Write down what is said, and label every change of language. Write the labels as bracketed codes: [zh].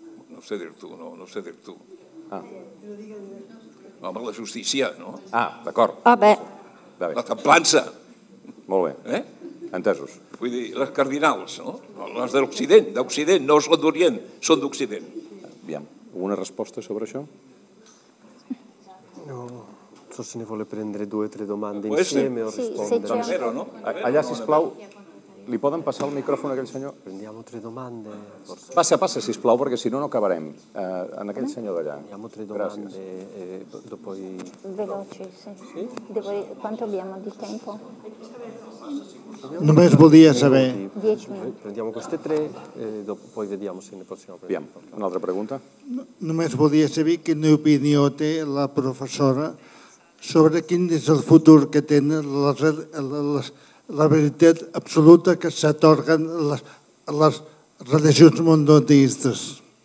[ca] No sé dir-t'ho, no sé dir-t'ho. Ah. Home, la justícia, no? Ah, d'acord. Ah, bé. Va bé. La templança. Molt bé. Entesos. Vull dir, les cardinals, no? Les d'Occident, no són d'Orient, són d'Occident. Aviam, alguna resposta sobre això? [it] No, non so se ne vuole prendere due o tre domande insieme o rispondere. Sì, sì, certo. [ca] Allà, sisplau, li poden passar el micròfon a aquell senyor? [it] Prendiamo tre domande. [ca] Passa, passa, sisplau, perquè si no, no acabarem. En aquell senyor d'allà. [it] Prendiamo tre domande. Dopo i... Veloci, sì. Devo... Quanto abbiamo di tempo? [ca] Només volia saber. [it] 10 minuti. Prendiamo queste tre, dopo, poi vediamo se ne possiamo prendere. Abbiamo un'altra pregunta? [ca] Només volia saber quina opinió té la professora sobre quin és el futur que tenen la veritat absoluta que s'atorguen les religions monoteístes.